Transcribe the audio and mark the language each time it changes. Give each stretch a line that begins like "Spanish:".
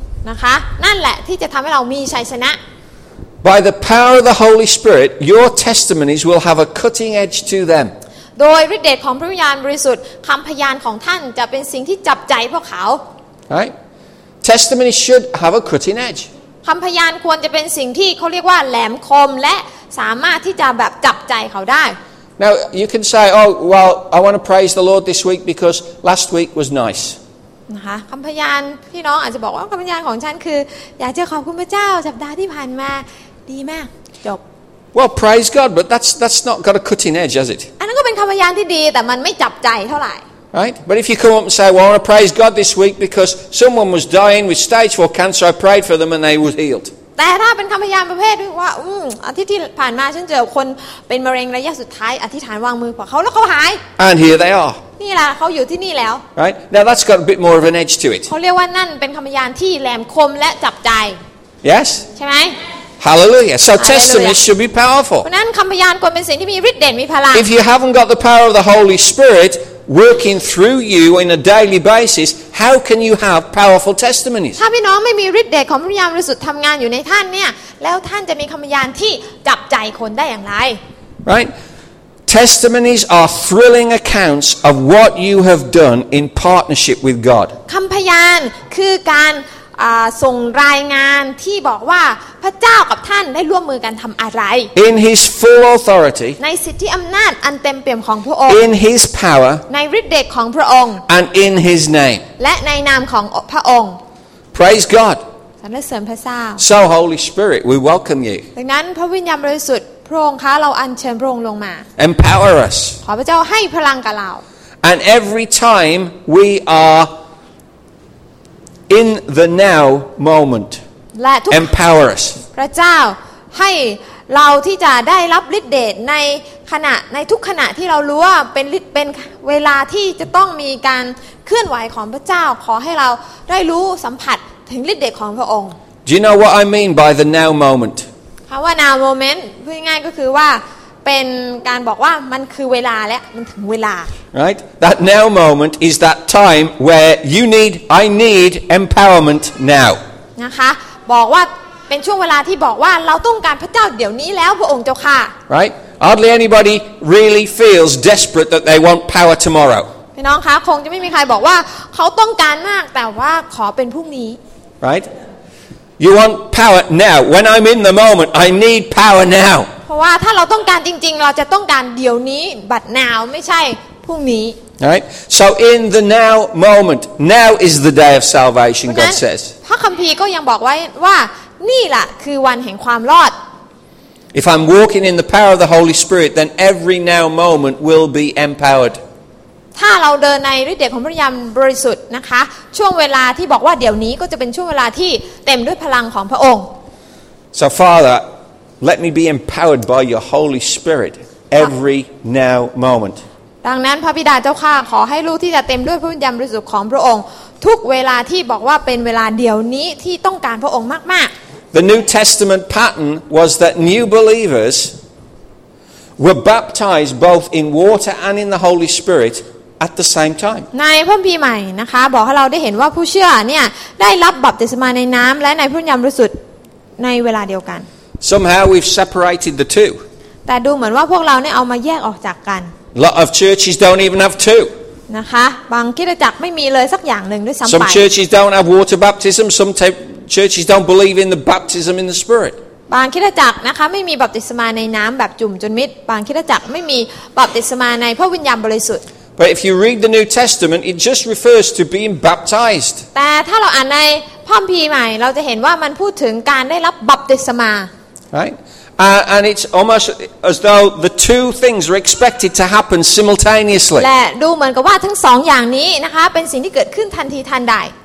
Thai: นะคะนั่นแหละที่จะทำให้เรามีชัยชนะ
English: By the power of the Holy Spirit your testimonies will have a cutting edge to them
Thai: โดยฤทธิ์เดชของพระวิญญาณบริสุทธิ์คำพยานของท่านจะเป็นสิ่งที่จับใจพวกเขา
English: Right testimony should have a cutting edge
Thai: คำพยานควรจะเป็นสิ่งที่เขาเรียกว่าแหลมคมและสามารถที่จะแบบจับใจเขาได้
English: Now you can say oh well I want to praise the Lord this week because last week was nicen
Thai: ะคะคำพยานพี่น้องอาจจะบอกว่าคำพยานของฉันคืออยากจะขอบคุณพระเจ้าสัปดาห์ที่ผ่านมาดีมากจบ
English: Well praise God but that's not got a cutting edge has it
Thai: อันนั้นก็เป็นคำพยานที่ดีแต่มันไม่จับใจเท่าไหร่
English: Right but if you come up and say well I want to praise God this week because someone was dying with stage 4 cancer I prayed for them and they were healed
Thai: แต่ถ้าเป็นคำพยานประเภทว่าอาทิตย์ที่ผ่านมาฉันเจอคนเป็นมะเร็งระยะสุดท้ายอธิษฐานวางมือกับเขาแล้วเขาหาย
English: And here they are
Thai: นี่ล่ะเขาอยู่ที่นี่แล้ว
English: Right now that's got a bit more of an edge to it
Thai: เขาเรียกว่านั่นเป็นคำพยานที่แหลมคมและจับใจ
English: Yes
Thai: ใช่ไหม
English: Hallelujah so testimonies should be powerful
Thai: เพราะนั้นคำพยานควรเป็นสิ่งที่มีฤทธิ์เดชมีพลัง
English: If you haven't got the power of the Holy Spirit working through you in a daily basis how can you have powerful testimonies
Thai: ถ้าพี่น้องไม่มีฤทธิ์เดชของพระวิญญาณบริสุทธิ์ทำงานอยู่ในท่านเนี่ยแล้วท่านจะมีคำพยานที่จับใจคนได้อย่างไร
English: Right testimonies are thrilling accounts of what you have done in partnership with God
Thai: คำพยานคือการส่งรายงานที่บอกว่าพระเจ้ากับท่านได้ร่วมมือกันทำอะไร
English: In his full authority
Thai: ในสิทธิอำนาจอันเต็มเปี่ยมของพระองค์
English: In his power
Thai: ในฤทธิ์เดชของพระองค์
English: And in his name
Thai: และในนามของพระองค์
English: Praise God
Thai: สรรเสริญพระเจ้า
English: So Holy Spirit we welcome you
Thai: ดังนั้นพระวิญญาณบริสุทธิ์พระองค์คะเราอัญเชิญพระองค์ลงมา
English: Empower us
Thai: ขอพระเจ้าให้พลังกับเรา
English: And every time we areIn the now moment, empower us.
Thai: พระเจ้าให้เราที่จะได้รับฤทธิ์เดชในขณะในทุกขณะที่เรารู้ว่าเป็นเวลาที่จะต้องมีการเคลื่อนไหวของพระเจ้าขอให้เราได้รู้สัมผัสถึงฤทธิ์เดชของพระองค์
English: Do you know what I mean by the now moment?
Thai: คำว่า now moment พูดง่ายก็คือว่าเป็นการบอกว่ามันคือเวลาและมันถึงเวลา
English: Right that now moment is that time where you need I need empowerment now
Thai: นะคะบอกว่าเป็นช่วงเวลาที่บอกว่าเราต้องการพระเจ้าเดี๋ยวนี้แล้วพระองค์เจ้าค่ะ
English: Right hardly anybody really feels desperate that they want power tomorrow
Thai: พี่น้องคะคงจะไม่มีใครบอกว่าเขาต้องการมากแต่ว่าขอเป็นพรุ่งนี้
English: Right you want power now when I'm in the moment I need power now
Thai: เพราะว่าถ้าเราต้องการจริงๆเราจะต้องการเดี๋ยวนี้บัดนาวไม่ใช่พรุ่งนี้
English: Right so in the now moment now is the day of salvation God says
Thai: พระคัมภีร์ก็ยังบอกไว้ว่านี่ล่ะคือวันแห่งความรอด
English: If I'm walking in the power of the Holy Spirit then every now moment will be empowered
Thai: ถ้าเราเดินในฤทธิ์เดชของพระวิญญาณบริสุทธิ์นะคะช่วงเวลาที่บอกว่าเดี๋ยวนี้ก็จะเป็นช่วงเวลาที่เต็มด้วยพลังของพระองค์
English: So FatherLet me be empowered by your Holy Spirit every now moment.
Thai: ดังนั้นพระบิดาเจ้าข้าขอให้ลูกที่จะเต็มด้วยพระวิญญาณบริสุทธิ์ของพระองค์ทุกเวลาที่บอกว่าเป็นเวลาเดียวนี้ที่ต้องการพระองค์มาก
English: ๆ The New Testament pattern was that new believers were baptized both in water and in the Holy Spirit at the same time.
Thai: ในพระคัมภีร์ใหม่นะคะบอกให้เราได้เห็นว่าผู้เชื่อเนี่ยได้รับบัพติศมาในน้ำและในพระวิญญาณบริสุทธิ์ในเวลาเดียวกัน
English: Somehow we've separated the two.
Thai: แต่ดูเหมือนว่าพวกเราเนี่ยเอามาแยกออกจากกัน
English: Lot of churches don't even have two.
Thai: นะคะบางคริสตจักรไม่มีเลยสักอย่างนึงด้วยซ้ำไป
English: Some churches don't have water baptism. Some type churches don't believe in the baptism in the Spirit.
Thai: บางคริสตจักรนะคะไม่มีบัพติศมาในน้ำแบบจุ่มจนมิดบางคริสตจักรไม่มีบัพติศมาในพระวิญญาณบริสุทธิ์
English: But if you read the New Testament, it just refers to being baptized.
Thai: แต่ถ้าเราอ่านในพระคัมภีร์ใหม่เราจะเห็นว่ามันพูดถึงการได้รับบัพติศมา
English: Right? And it's almost as though the two things are expected to happen simultaneously.
Thai: และดูเหมือนกับว่าทั้งสองอย่างนี้นะคะเป็นสิ่งที่เกิดขึ้นทันทีทันใด